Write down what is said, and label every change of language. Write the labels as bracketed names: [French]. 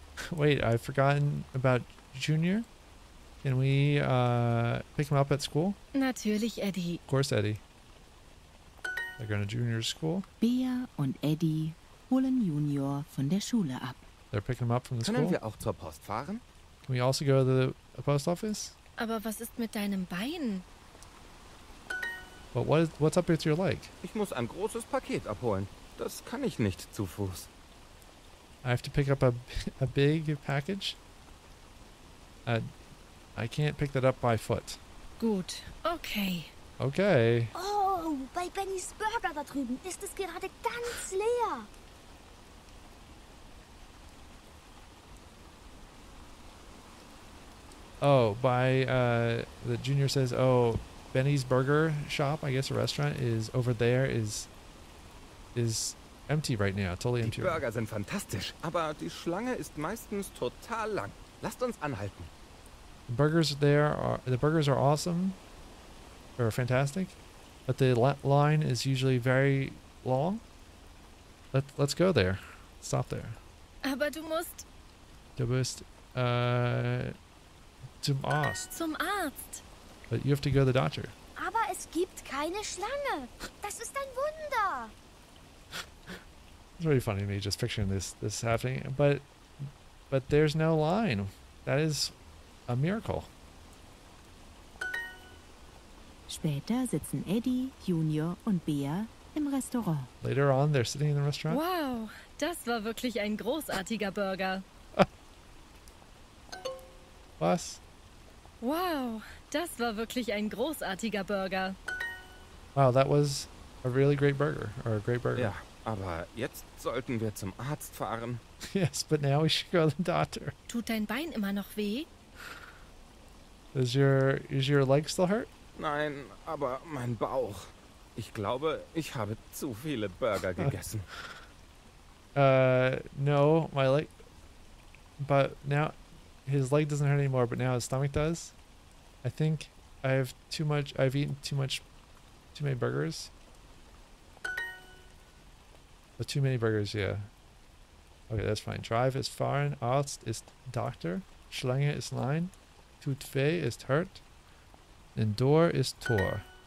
[English] Wait, I've forgotten about Junior. Can we pick him up at school? [German] Natürlich, Eddie. [English] Of course, Eddie. They're going to Junior's school. [German] Bea und Eddie holen Junior von der Schule ab. [English] They're picking him up from the [German] Können [English] school. [German] Wir auch zur Post fahren? [English] Can we also go to the post office? [German] Aber was ist mit deinem Bein? [English] But what's up with your leg? [German] Ich muss ein großes Paket abholen. Das kann ich nicht zu Fuß. [English] I have to pick up a big package? I can't pick that up by foot. [German] Gut. Okay. [English] Okay. [German] Oh, bei Benny's Burger da drüben ist es gerade ganz leer. [English] Oh, by the junior says, oh, Benny's Burger Shop, I guess a restaurant, is over there, is empty right now, totally [German] die [English] empty. [German] Die Burger sind fantastisch, aber die Schlange ist meistens total lang. Lasst uns anhalten. [English] The burgers are awesome, or fantastic, but the line is usually very long. Let's go there. Stop there. [German] Aber du musst... Du musst... Zum Arzt. Zum Arzt. [English] But you have to go to the doctor. [German] Aber es gibt keine Schlange. Das ist ein Wunder. [English] It's really funny to me just picturing this happening. But there's no line. That is a miracle. [German] Später sitzen Eddie, Junior und Bea im Restaurant. [English] Later on, they're sitting in the restaurant. [German] Wow, das war wirklich ein großartiger Burger. Was? Wow, das war wirklich ein großartiger Burger. [English] Wow, that was a really great burger, or a great burger. [German] Ja, aber jetzt sollten wir zum Arzt fahren. [English] Yes, but now we should go to the doctor. [German] Tut dein Bein immer noch weh? [English] Is your leg still hurt? [German] Nein, aber mein Bauch. Ich glaube, ich habe zu viele Burger gegessen. [English] No, my leg... But now... His leg doesn't hurt anymore, but now his stomach does. I think I have too much. I've eaten too many burgers. But too many burgers, yeah. Okay, that's fine. Drive ist fahren, Arzt ist Doktor, Schlange ist Line, Tut weh ist hurt, and Door ist Tor.